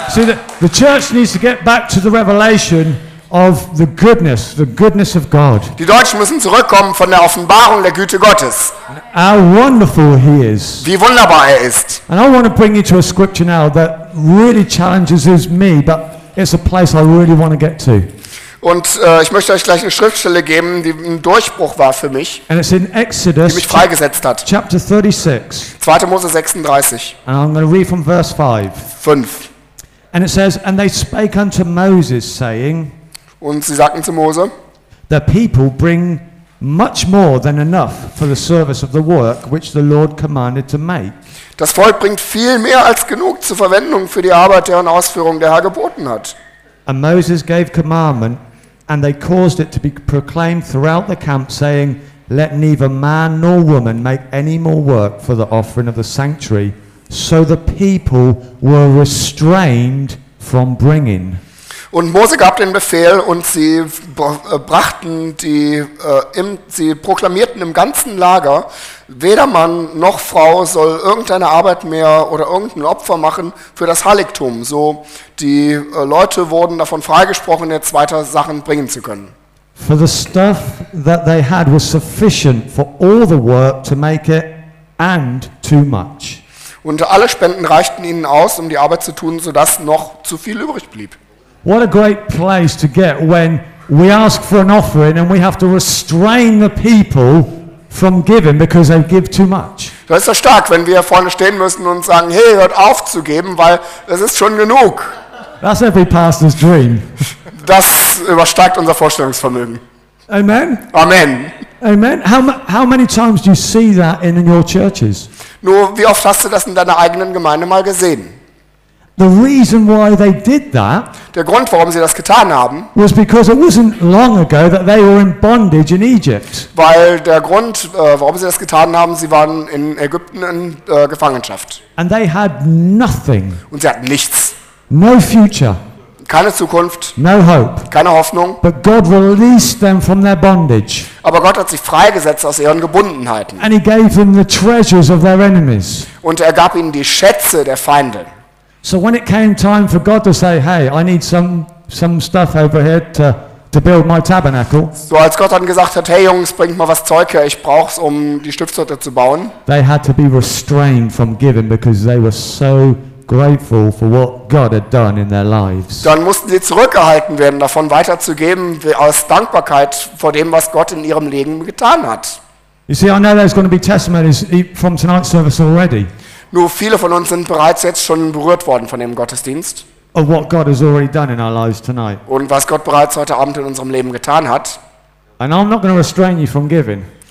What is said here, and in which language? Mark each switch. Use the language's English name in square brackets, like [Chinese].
[English] See, the church needs to get back to the revelation of the goodness of God. [German] Die Deutschen müssen zurückkommen von der Offenbarung der Güte Gottes. [English] How wonderful he is. [German] Wie wunderbar er ist. [English] And I want to bring you to a scripture now that really challenges me, but it's a place I really want to get to. [German] Und ich möchte euch gleich eine Schriftstelle geben, die ein Durchbruch war für mich. [English] And it's in Exodus, [German] die mich freigesetzt hat. [English] Chapter 36. [German] 2. Mose 36. [English] And I'm going to read from verse 5. And it says, and they spake unto Moses, saying, [German] und sie sagten zu Mose, [English] the people bring much more than enough for the service of the work which the Lord commanded to make. [German] Das Volk bringt viel mehr als genug zur Verwendung für die Arbeit, deren Ausführung der Herr geboten hat. [English] And Moses gave commandment, and they caused it to be proclaimed throughout the camp, saying, let neither man nor woman make any more work for the offering of the sanctuary. So the people were restrained from bringing. [German] Und Mose gab den Befehl, und sie brachten die, sie proklamierten im ganzen Lager, weder Mann noch Frau soll irgendeine Arbeit mehr oder irgendein Opfer machen für das Heiligtum. So, die Leute wurden davon freigesprochen, jetzt weiter Sachen bringen zu können. [English] For the stuff that they had was sufficient for all the work to make it and too much. [German] Und alle Spenden reichten ihnen aus, um die Arbeit zu tun, sodass noch zu viel übrig blieb. [English] What a great place to get when we ask for an offering and we have to restrain the people from giving because they give too much. [German] Das ist doch stark, wenn wir vorne stehen müssen und sagen, hey, hört auf zu geben, weil es ist schon genug. [English] That's every pastor's dream. [German] Das übersteigt unser Vorstellungsvermögen. [English] Amen. Amen. Amen. How many times do you see that in your churches? [German] Nur wie oft hast du das in deiner eigenen Gemeinde mal gesehen? [English] The reason why they did that, [German] der Grund, warum sie das getan haben, [English] was because it wasn't long ago that they were in bondage in Egypt. [German] Weil der Grund, warum sie das getan haben, sie waren in Ägypten in Gefangenschaft. [English] And they had nothing. [German] Und sie hatten nichts. [English] No future. [German] Keine Zukunft. [English] No hope. [German] Keine Hoffnung. [English] But God released them from their bondage. [German] Aber Gott hat sie freigesetzt aus ihren Gebundenheiten. [English] And he gave them the treasures of their enemies. [German] Und er gab ihnen die Schätze der Feinde. [English] So when it came time for God to say, hey, I need some stuff over here to build my tabernacle. [German] So als Gott dann gesagt hat, hey Jungs, bringt mal was Zeug her, ich brauch's, um die Stiftshütte zu bauen. [English] They had to be restrained from giving because they were so grateful for what God had done in their lives. [German] Dann mussten sie zurückgehalten werden, davon weiterzugeben, aus Dankbarkeit vor dem, was Gott in ihrem Leben getan hat. [English] You see, I know there's going to be testimonies from tonight's service already. [German] Nur viele von uns sind bereits jetzt schon berührt worden von dem Gottesdienst. [English] Of what God has already done in our lives tonight. [German] Und was Gott bereits heute Abend in unserem Leben getan hat. [English] And I'm not going to restrain you from giving.